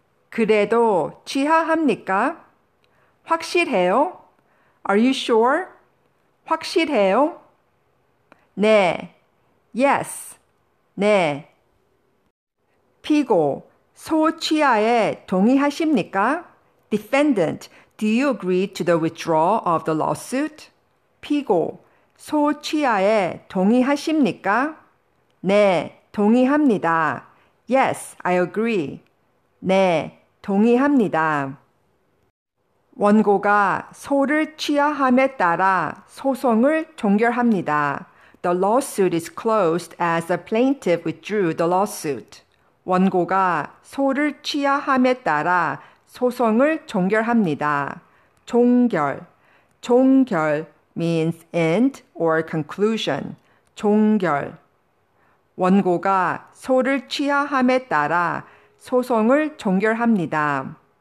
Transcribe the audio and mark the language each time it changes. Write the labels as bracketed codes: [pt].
[ko] 그래도 취하합니까? 확실해요? [en] Are you sure? [ko] 확실해요? 네. [en] Yes. [ko] 네. 피고, 소 취하에 동의하십니까? [en] Defendant, do you agree to the withdrawal of the lawsuit? [ko] 피고, 소 취하에 동의하십니까? 네, 동의합니다. [en] Yes, I agree. [ko] 네, 동의합니다. 원고가 소를 취하함에 따라 소송을 종결합니다. [en] The lawsuit is closed as the plaintiff withdrew the lawsuit. [ko] 원고가 소를 취하함에 따라 소송을 종결합니다. 종결. 종결 [en] means end or conclusion. [ko] 종결. 원고가 소를 취하함에 따라 소송을 종결합니다.